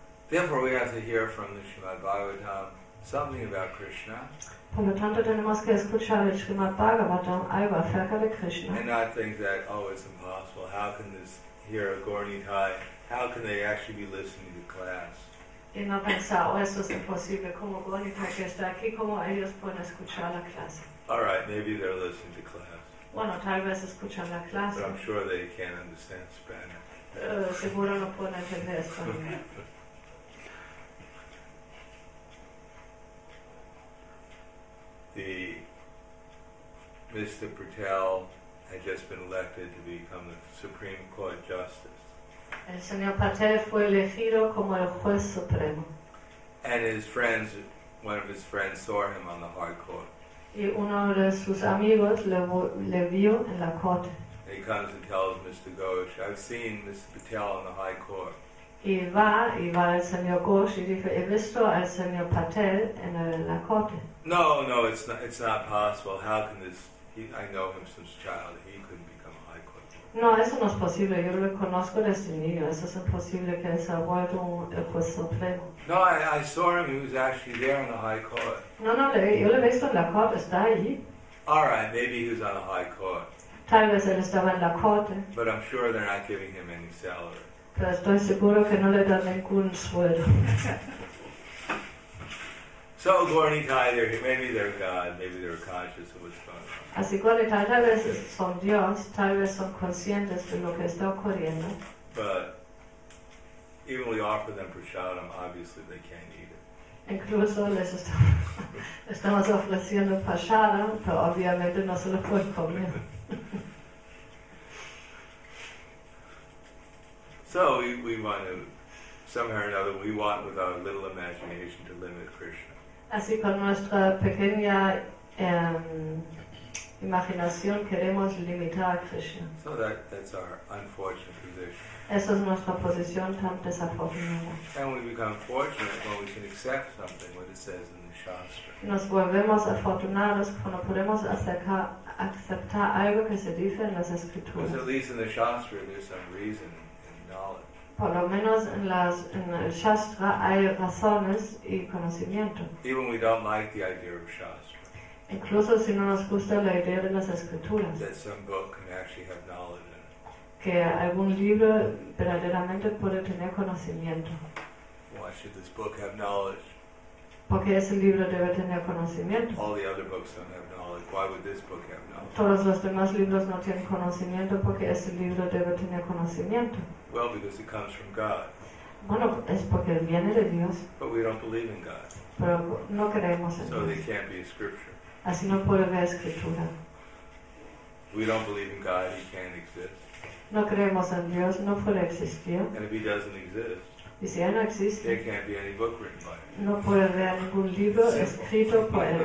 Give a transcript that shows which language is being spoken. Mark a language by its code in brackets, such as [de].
[en] Therefore, we have to hear from the Srimad Bhagavatam something about Krishna. [es] Por lo tanto, tenemos que escuchar el Srimad Bhagavatam algo acerca de Krishna. [en] And not think that, oh, it's impossible. How can this hear a Gaur Nihai? How can they actually be listening to class? [es] Y no pensaba, oh, eso es imposible, como Bonita que está aquí, como ellos pueden escuchar la clase. [en] All right, maybe they're listening to class. [es] Bueno, tal vez escuchan la clase. [en] But I'm sure they can't understand Spanish. [es] Seguro no pueden entender español. [en] The Mr. Patel had just been elected to become the Supreme Court Justice. [es] El señor Patel fue elegido como el juez supremo. [en] And his friends, one of his friends, saw him on the hard court. [es] Y uno de sus amigos le vio en la corte. [en] He comes and tells Mr. Ghosh, "I've seen Mr. Patel on the high court." [es] Y va el señor Ghosh y dice, "He visto al señor Patel en la corte." [en] No, it's not possible. How can this? I know him since child. He couldn't become a high court. [es] No, eso no es posible. Yo lo conozco desde niño. Eso es imposible que se haya vuelto un juez supremo. [en] No, I saw him. He was actually there on the high court. [es] No, yo lo he visto en la corte. Está allí. [en] All right, maybe he was on the high court. [es] Tal vez él estaba en la corte. [en] But I'm sure they're not giving him any salary. [es] Pero estoy seguro que no le dan ningún sueldo. [en] So Gornitai, maybe they're God, maybe they're conscious of what's going on. [es] Así Gornitai, tal vez son Dios, tal vez son conscientes de lo que está ocurriendo. [en] But even we offer them prasadam, obviously they can't eat it. [es] Incluso les estamos ofreciendo prasadam, pero obviamente no se lo pueden comer. [en] So we want to, somehow or another, we want with our little imagination to limit Krishna. [es] Así con nuestra pequeña imaginación queremos limitar a Krishna. [en] So that's our unfortunate position. [es] Esa es nuestra posición tan desafortunada. [en] And we become fortunate when we can accept something, what it says in the Shastra. [es] Nos volvemos afortunados cuando podemos aceptar algo que se dice en las escrituras. [en] Because at least in the Shastra there's some reason and knowledge. [es] Por lo menos en el Shastra hay razones y conocimiento. [en] Even we don't like the idea of Shastra. [es] Incluso si no nos gusta la idea de las escrituras. [en] That some book can actually have knowledge in it. [es] Que algún libro verdaderamente puede tener conocimiento. [en] Why should this book have knowledge? [es] Porque ese libro debe tener conocimiento. [en] All the other books don't have knowledge. Why would this book have knowledge? [es] Todos los demás libros no tienen conocimiento porque ese libro debe tener conocimiento. [en] Well, because it comes from God. [es] Bueno, es porque viene de Dios. [en] But we don't believe in God. [es] Pero no creemos en so Dios. [en] So there can't be a scripture. [es] Así no puede haber escritura. [en] We don't believe in God, he can't exist. [es] No creemos en Dios, no puede existir. [en] And if he doesn't exist, [es] y si él no existe, [en] there can't be any book written by him. [es] No puede haber ningún libro escrito por él.